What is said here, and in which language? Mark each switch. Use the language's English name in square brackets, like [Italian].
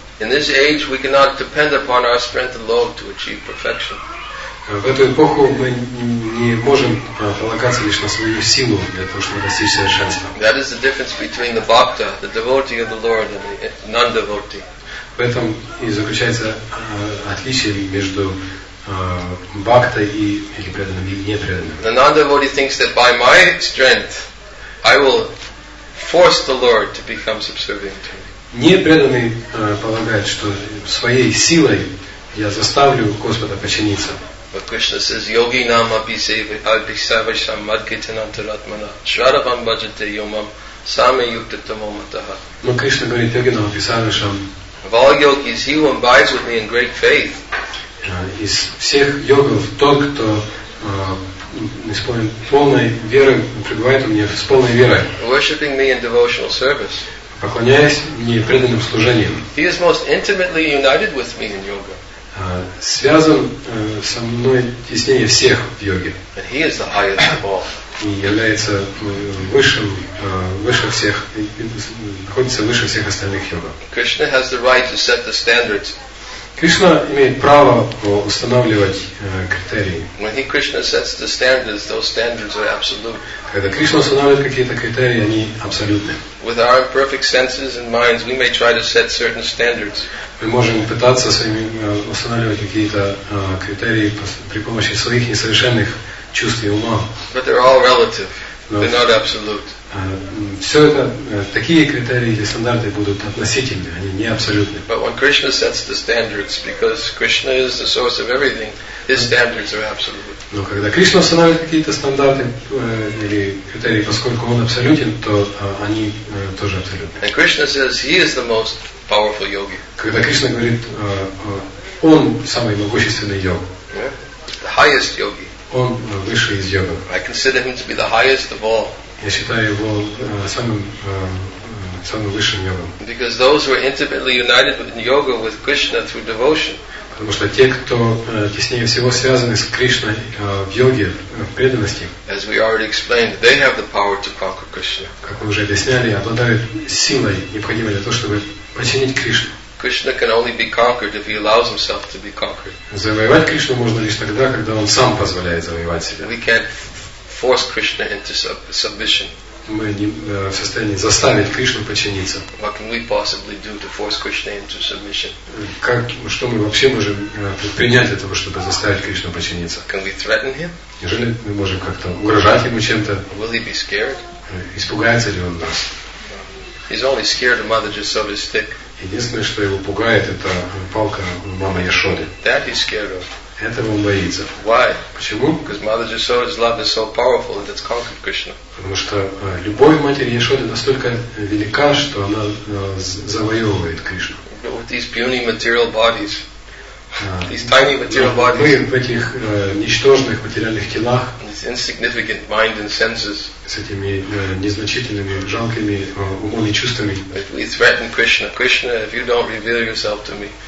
[English] In this age, we cannot depend upon our strength alone to achieve perfection. [Russian] В эту эпоху мы не можем полагаться лишь на свою силу для того, чтобы достичь совершенства. [English] That is the difference between the bhakta, the devotee of the Lord, and the non-devotee. [Russian] В этом и заключается отличие между бхактой и преданным и непреданным. [English] The non-devotee thinks that by my strength, I will force the Lord to become subservient to me. [Russian] Непреданный полагает, что своей силой я заставлю Господа подчиниться. [English] But Krishna says, [Sanskrit] Yogi nam api savasham madgitin antaratmana sharavam bhajate yomam same yukta tamo mataha. [Russian] Но Кришна говорит, [Sanskrit] Йоги нам апи савасham. [English] Of all yogis, he who abides with me in great faith. [Russian] Из всех йогов тот, кто исполнен полной верой, пребывает у меня с полной верой. [English] Worshipping me in devotional service. [Russian] Поклоняясь мне преданным служением. [English] He is most intimately united with me in yoga. [Russian] Связан со мной теснее всех в йоге. [English] And he is the highest of all. [Russian] И является высшим, выше всех, находится выше всех остальных йогов. [English] Krishna has the right to set the standards. [Russian] Кришна имеет право устанавливать критерии. [English] When he Krishna sets the standards, those standards are absolute. [Russian] Когда Кришна устанавливает какие-то критерии, они абсолютны. [English] With our imperfect senses and minds, we may try to set certain standards. [Russian] Мы можем пытаться своими устанавливать какие-то критерии при помощи своих несовершенных чувств и ума. [English] But they're all relative. They're not absolute. [Russian] Все это, такие критерии или стандарты будут относительны, они не абсолютны. [English] But when Krishna sets the standards, because Krishna is the source of everything, his standards are absolute. [Russian] Но когда Кришна устанавливает какие-то стандарты или критерии, поскольку он абсолютен, то они тоже абсолютны. [English] And Krishna says he is the most powerful yogi. [Russian] Когда Кришна говорит, он самый могущественный йог. [English] The highest yogi. [Russian] Он высший из йогов. [English] I consider him to be the highest of all. [Russian] Я считаю его самым высшим йогом. [English] Because those who are intimately united with yoga with Krishna through devotion. [Russian] Потому что те, кто теснее всего связаны с Кришной в йоге, в преданности. [English] As we already explained, they have the power to conquer Krishna. [Russian] Как мы уже объясняли, обладают силой, необходимой для того, чтобы подчинить Кришну. [English] Krishna can only be conquered if he allows himself to be conquered. [Russian] Завоевать Кришну можно лишь тогда, когда он сам позволяет завоевать себя. [English] We can't force Krishna into submission. [Russian] Мы не в состоянии заставить Кришну подчиниться. [English] What can we possibly do to force Krishna into submission? [Russian] Как, что мы вообще можем предпринять для того, чтобы заставить Кришну подчиниться? [English] Can we threaten him? [Russian] Неужели мы можем как-то угрожать ему чем-то? [English] Will he be scared? [Russian] Испугается ли он нас? [English] He's only scared of Mother Yashoda's stick. [Russian] Единственное, что его пугает, это палка мамы Яшоды. [English] That he's scared of. [Russian] Этого он боится. [English] Why? [Russian] Почему? [English] Because Mother Yashoda's love is so powerful that it's conquered Krishna. [Russian] Потому что любовь матери Яшоды настолько велика, что она завоевывает Кришну. [English] With these puny material bodies, these tiny material bodies. [Russian] Мы в этих ничтожных материальных телах. [English] This insignificant mind and senses. [Russian] С этими незначительными, жалкими умом и чувствами. [English] If we threaten Krishna, Krishna, if you don't reveal yourself to me.